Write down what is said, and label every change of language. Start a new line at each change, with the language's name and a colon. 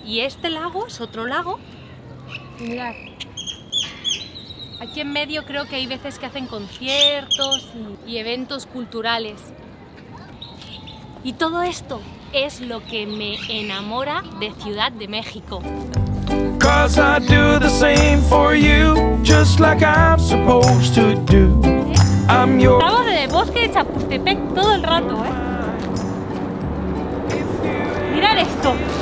Spanish: Y este lago es otro lago. Mirad. Aquí en medio creo que hay veces que hacen conciertos y eventos culturales. Y todo esto es lo que me enamora de Ciudad de México.
English: Cause I do the same for you, just like I'm supposed to do. I'm your...
Spanish: Estaba desde el Bosque de Chapultepec todo el rato, Mirad esto.